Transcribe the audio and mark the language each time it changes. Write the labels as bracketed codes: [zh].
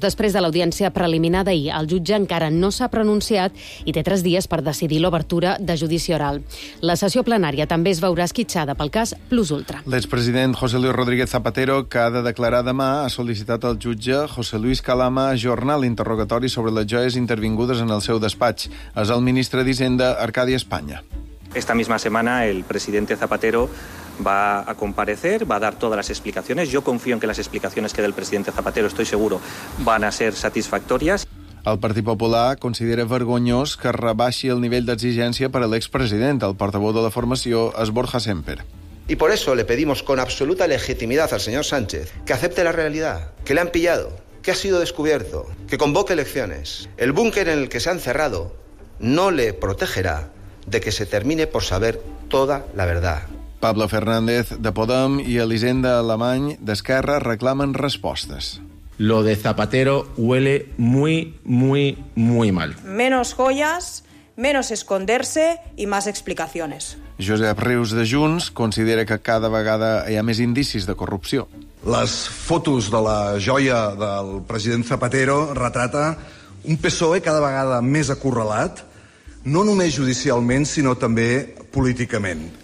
[ca] Després de l'audiència preliminar ahir, el jutge encara no s'ha pronunciat i té 3 dies per decidir l'obertura de judici oral. La sessió plenària també es veurà esquitxada pel cas Plus Ultra. L'expresident José Luis Rodríguez Zapatero, que ha de declarar demà, ha sol·licitat al jutge José Luis Calama ajornar l'interrogatori sobre les joies intervingudes en el seu despatx. És el ministre d'Hisenda, Arcadi Espanya. [es] Esta misma semana el presidente Zapatero va a comparecer, va a dar todas las explicaciones. Yo confío en que las explicaciones que del presidente Zapatero, estoy seguro, van a ser satisfactorias. [ca] El Partit Popular considera vergonyós que rebaixi el nivell d'exigència per a l'expresident. El portavoz de la formació és Borja Semper. [es] Y por eso le pedimos con absoluta legitimidad al señor Sánchez que acepte la realidad, que le han pillado, que ha sido descubierto, que convoque elecciones. El búnker en el que se han cerrado no le protegerá de que se termine por saber toda la verdad. [ca] Pablo Fernández, de Podem, i Elisenda Alemany, d'Esquerra, reclamen respostes. [es] Lo de Zapatero huele muy, muy, muy mal. Menos joyas, menos esconderse y más explicaciones. [ca] Josep Rius, de Junts, considera que cada vegada hi ha més indicis de corrupció. Les fotos de la joia del president Zapatero retrata un PSOE cada vegada més acorralat, no només judicialment, sinó també políticament.